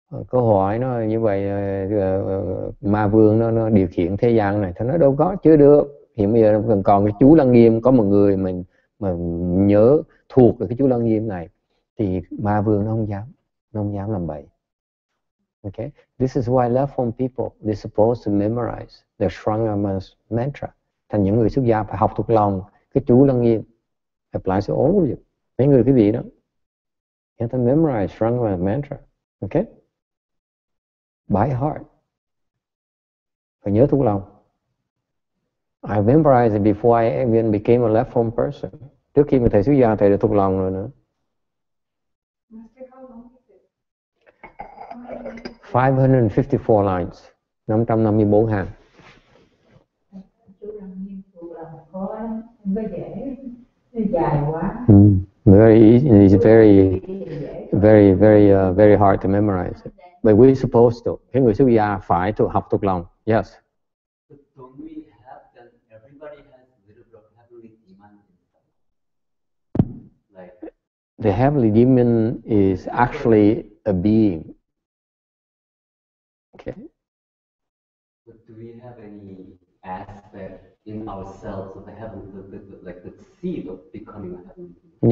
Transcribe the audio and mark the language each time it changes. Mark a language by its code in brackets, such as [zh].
[vi] Câu hỏi nó như vậy, ma vương nó điều khiển thế gian này, thì nó đâu có, chưa được. Hiện bây giờ nó còn cái chú Lăng Nghiêm, có một người mà nhớ thuộc được cái chú Lăng Nghiêm này, thì ma vương nó không dám làm bậy. [en] Okay, this is why left home people, they're supposed to memorize the Sharangama's mantra. [vi] Thành những người xuất gia phải học thuộc lòng cái chú Lăng Nghiêm, [en] apply to all of you, [vi] mấy người quý vị đó, [en] you have to memorize Sharangama's mantra. Okay, by heart, [vi] phải nhớ thuộc lòng. [en] I memorized it before I even became a left home person. [vi] Trước khi mà thầy xuất gia, thầy đã thuộc lòng rồi nữa. [en] 554 lines, 554 [vi] hàng. [en] Very easy, it's very, very, very, very hard to memorize it. But we're supposed to. [vi] Cái người xuất gia phải to học thuộc lòng. [en] Yes. So don't we have that everybody has a little bit of heavenly demon? Like the heavenly demon is actually a being. Okay. But do we have any aspect in ourselves of the heavenly, like the seed of becoming a heavenly demon?